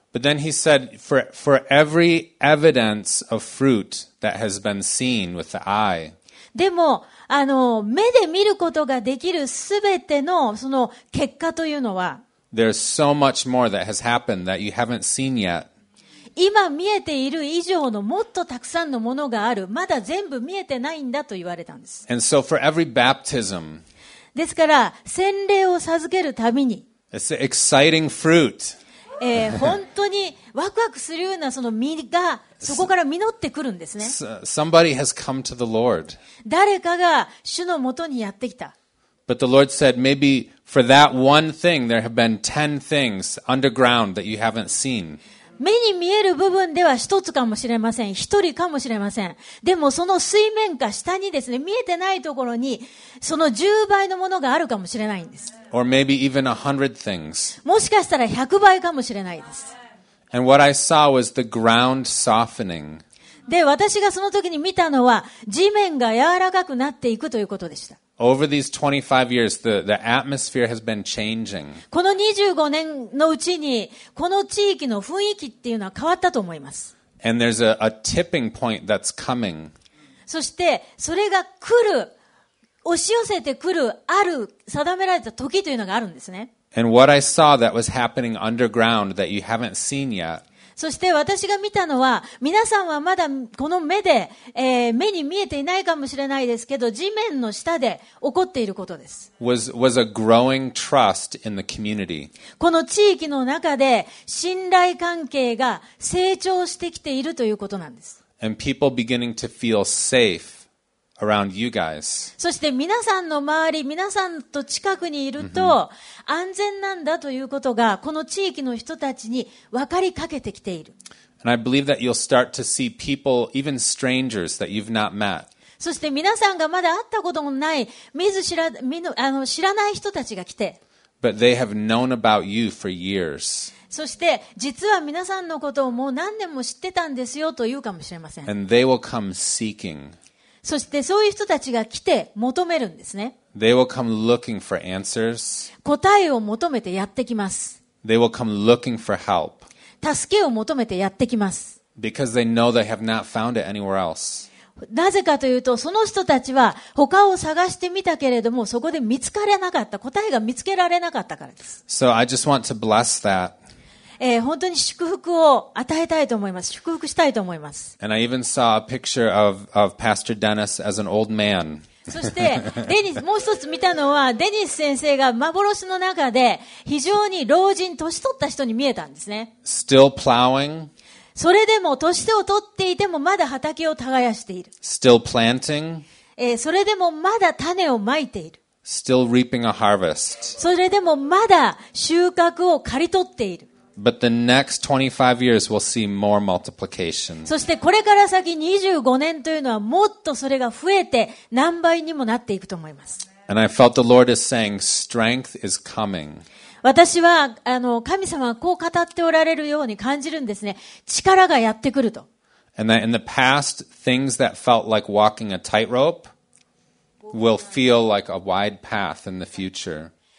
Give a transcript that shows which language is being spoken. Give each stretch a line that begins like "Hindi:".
English: But then he said, for every evidence of fruit that has been seen with the eye.
Japanese: でも、あの、目で見ることができるすべてのその結果というのは、
English: There's so much more that has happened that you haven't seen yet.
Japanese: 今見えている以上のもっとたくさんのものがある。まだ全部見えてないんだと言われたんです。
English: And so for every baptism,
Japanese: ですから、洗礼を授けるたびに、
English: It's an exciting fruit.
Japanese: 本当にワクワクするようなその実がそこから実ってくるんですね。
English: Somebody has come to the Lord.
Japanese: 誰かが主のもとにやってきた。
English: But the Lord said, maybe for that one thing, there have been 10 things underground that you haven't seen.
Japanese: 目に見える部分では一つかもしれません。一人かもしれません。でもその水面下下にですね、見えてないところにその10倍のものがあるかもしれないんです。
English: Or maybe even 100 things.
Japanese: もしかしたら100倍かもしれないです。
English: And what I saw was the ground softening.
Japanese: で、私がその時に見たのは地面が柔らかくなっていくということでした。
English: Over these 25 years, the atmosphere has been changing.
Japanese: この25年のうちにこの地域の雰囲気っていうのは変わったと思います。
English: And there's a tipping point that's coming.
Japanese: そしてそれが来る、押し寄せてくる、ある定められた時というのがあるんですね。
English: And what I saw that was happening underground that you haven't seen yet.
Japanese: そして私が見たのは、皆さんはまだこの目で、目に見えていないかもしれないですけど、地面の下で起こっていることです。
English: Was a growing trust in the community.
Japanese: この地域の中で信頼関係が成長してきているということなんです。
English: And people beginning to feel safe. Around you guys.
Japanese: そして皆さんの周り、皆さんと近くにいると安全なんだということがこの地域の人たちに分かりかけてきている。
English: And I believe that you'll start to see people, even strangers that you've not met.
Japanese: そして皆さんがまだ会ったこともない、知らない人たちが来て。
English: But they have known about you for years.
Japanese: そして実は皆さんのことをもう何年も知ってたんですよと言うかもしれません。
English: And they will come seeking.
Japanese: そしてそういう人たちが来て求めるんですね。
English: They will come looking for answers.
Japanese: 答えを求めてやってきます。
English: They will come looking for help.
Japanese: 助けを求めてやってきます。
English: Because they know they have not found it anywhere else.
Japanese: なぜかというと、その人たちは他を探してみたけれども、そこで見つからなかった、答えが見つけられなかったからです。
English: So I just want to bless that.
Japanese: 本当に祝福を与えたいと思います。祝福したいと思います。
English: And I even saw a picture of Pastor Dennis as an old man.
Japanese: そしてデニス、もう一つ見たのはデニス先生が幻の中で非常に老人、年取った人に見えたんですね。
English: Still plowing.
Japanese: それでも年を取っていてもまだ畑を耕している。
English: Still planting.
Japanese: それでもまだ種をまいている。
English: Still reaping a harvest.
Japanese: それでもまだ収穫を刈り取っている。
English: But the next 25 years we'll see more multiplication.
Japanese: そしてこれから先25年というのはもっとそれが増えて何倍にもなっていくと思います。
English: And I felt the Lord is saying strength is coming.
Japanese: 私は神様はこう語っておられるように感じるんですね。力がやってくると。
English: And that in the past things that felt like walking a tightrope will feel like a wide path in the future.